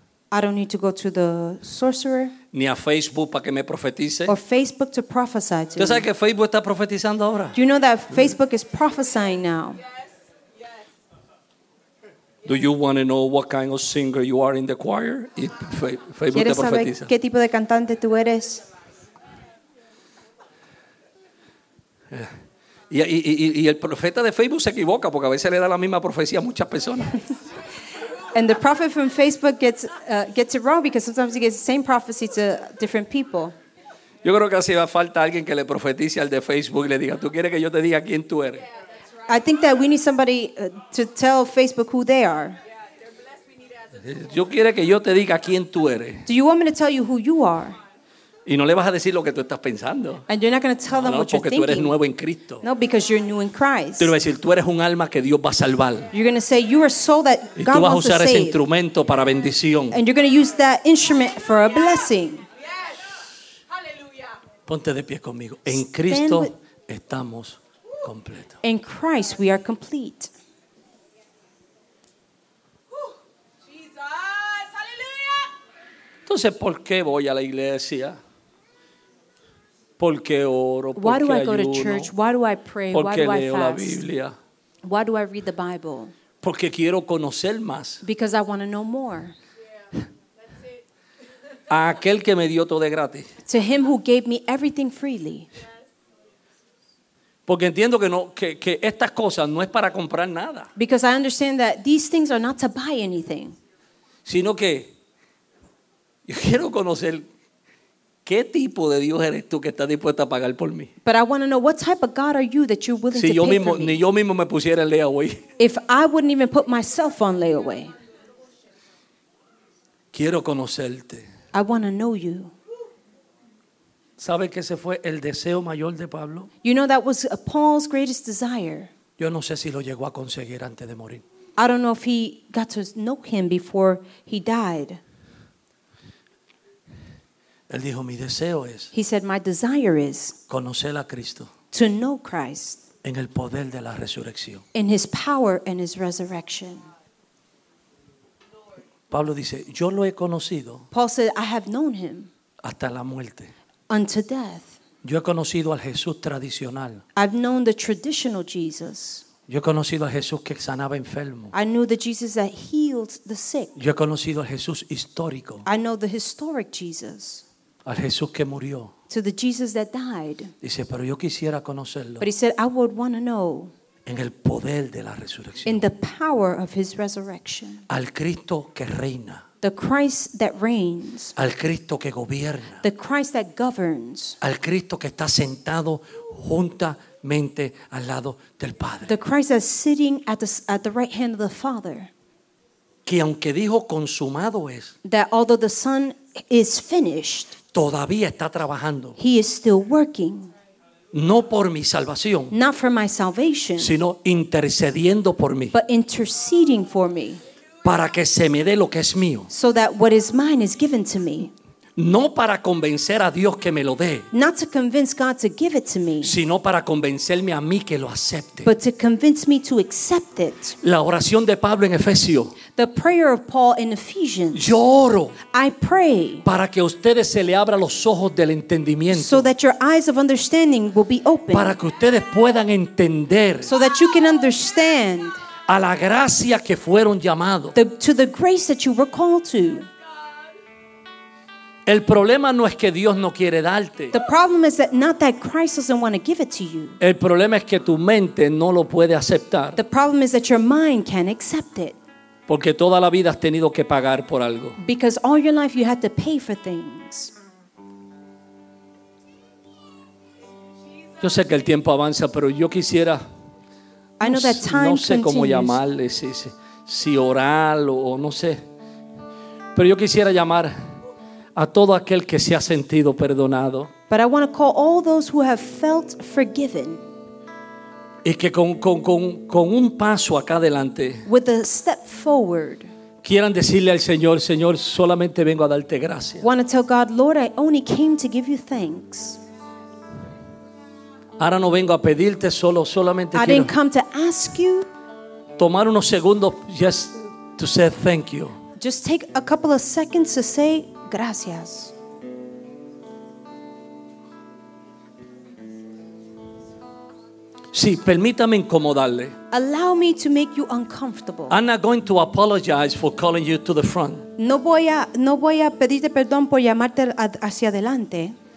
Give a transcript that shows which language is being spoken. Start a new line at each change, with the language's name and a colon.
English: I don't need to go to the sorcerer.
Spanish: Ni a Facebook para que me profetice.
English: Or Facebook to prophesy to.
Spanish: ¿Tú sabes que Facebook está profetizando ahora?
English: Do you know that Facebook is prophesying now? Do you want to know what kind of singer you are in the choir?
Spanish: ¿Quieres saber qué tipo de cantante tú eres? Y el profeta de Facebook se equivoca porque a veces le da la misma profecía a muchas personas.
English: And the prophet from Facebook gets it wrong because sometimes he gets the same prophecy to different people.
Spanish: Yo creo que así va a faltar alguien que le profetice al de Facebook y le diga, ¿tú quieres que yo te diga quién tú eres?
English: I think that we need somebody to tell Facebook who they are.
Spanish: Yo quiero que yo te diga quién tú eres.
English: Do you want me to tell you who you are?
Spanish: Y no le vas a decir lo que tú estás pensando.
English: And you're not going to tell them
Spanish: no,
English: what you're thinking.
Spanish: No, porque tú eres nuevo en Cristo.
English: No, because you're new in Christ.
Spanish: Tú le vas a decir, tú eres un alma que Dios va a salvar.
English: You're going to say you are a soul that God wants to save.
Spanish: Y tú vas a usar ese instrumento para bendición.
English: And you're going to use that instrument for a blessing.
Spanish: Yes. Ponte de pie conmigo. En Cristo estamos.
English: In Christ we are complete. Jesus, hallelujah.
Spanish: Entonces, ¿por qué voy a la iglesia? ¿Por qué oro?
English: Why do I go
Spanish: ayuno?
English: To church? Why do I pray?
Spanish: ¿Por qué
English: Why do
Spanish: leo
English: I fast?
Spanish: La Biblia?
English: Why do I read the Bible?
Spanish: Porque quiero conocer más.
English: Because I want to know more. Yeah, that's it.
Spanish: A aquel que me dio todo de gratis.
English: To him who gave me everything freely.
Spanish: Porque entiendo que no que estas cosas no es para comprar nada.
English: Because I understand that these things are not to buy anything.
Spanish: Sino que yo quiero conocer qué tipo de Dios eres tú que estás dispuesto a pagar por mí.
English: But I want to know what type of God are you that you're willing
Spanish: si
English: to pay
Spanish: mismo,
English: for me.
Spanish: Si yo mismo me pusiera en layaway.
English: If I wouldn't even put myself on layaway.
Spanish: Quiero conocerte.
English: I want to know you.
Spanish: ¿Sabe que ese fue el deseo mayor de Pablo?
English: You know that was Paul's greatest desire.
Spanish: Yo no sé si lo llegó a conseguir antes de morir.
English: I don't know if he got to know him before he died.
Spanish: Él dijo, mi deseo es
English: He said, my desire is
Spanish: conocer a Cristo.
English: To know Christ.
Spanish: en el poder de la resurrección.
English: In his power and his resurrection.
Spanish: Pablo dice, yo lo he conocido.
English: Paul said, I have known him.
Spanish: Hasta la muerte.
English: Unto death.
Spanish: Yo he conocido al Jesús tradicional.
English: I've known the traditional Jesus.
Spanish: Yo he conocido a Jesús que sanaba enfermos.
English: I knew the Jesus that healed the sick.
Spanish: Yo he conocido al Jesús histórico.
English: I know the historic Jesus.
Spanish: Al Jesús que murió.
English: To the Jesus that died.
Spanish: Dice, pero yo quisiera conocerlo.
English: But he said, I would want to know.
Spanish: En el poder de la resurrección.
English: In the power of his resurrection.
Spanish: Al Cristo que reina.
English: The Christ that reigns.
Spanish: Al Cristo que gobierna.
English: The Christ that governs.
Spanish: Al Cristo que está sentado juntamente al lado del Padre.
English: The Christ that's sitting at the right hand of the Father.
Spanish: Que aunque dijo consumado es.
English: That although the Son is finished.
Spanish: Todavía está trabajando.
English: He is still working.
Spanish: No por mi salvación,
English: not for my salvation,
Spanish: sino intercediendo por mí,
English: but interceding for me,
Spanish: para que se me dé lo que es mío,
English: so that what is mine is given to me,
Spanish: no para convencer a Dios que me lo dé,
English: not to convince God to give it to me,
Spanish: sino para convencerme a mí que lo acepte,
English: but to convince me to accept it.
Spanish: La oración de Pablo en Efesios,
English: the prayer of Paul in Ephesians,
Spanish: yo oro,
English: I pray,
Spanish: para que ustedes se le abra los ojos del entendimiento,
English: so that your eyes of understanding will be open,
Spanish: para que ustedes puedan entender,
English: so that you can understand,
Spanish: a la gracia que fueron llamados,
English: to the grace that you were called to.
Spanish: El problema no es que Dios no quiere darte.
English: The problem is that not that Christ doesn't want to give it to you.
Spanish: El problema es que tu mente no lo puede aceptar.
English: The problem is that your mind can't accept it.
Spanish: Porque toda la vida has tenido que pagar por algo.
English: Because all your life you had to pay for things.
Spanish: Yo sé que el tiempo avanza, pero yo quisiera.
English: I know that time
Spanish: no sé
English: continues.
Spanish: Cómo llamarle, si orar o no sé. Pero yo quisiera llamar a todo aquel que se ha sentido perdonado.
English: But I want to call all those who have felt forgiven.
Spanish: Y que con un paso acá adelante.
English: With a step forward.
Spanish: Quieran decirle al Señor, Señor, solamente vengo a darte gracias.
English: Want to tell God, Lord, I only came to give you thanks.
Spanish: Ahora no vengo a pedirte solamente quiero.
English: I didn't come to ask you.
Spanish: Tomar unos segundos
English: just to say thank you. Just take a couple of seconds to say gracias.
Spanish: Sí, permítame incomodarle.
English: Allow me to make you uncomfortable. I'm not going to apologize for calling you to the front.
Spanish: No voy a pedirte perdón por llamarte hacia adelante.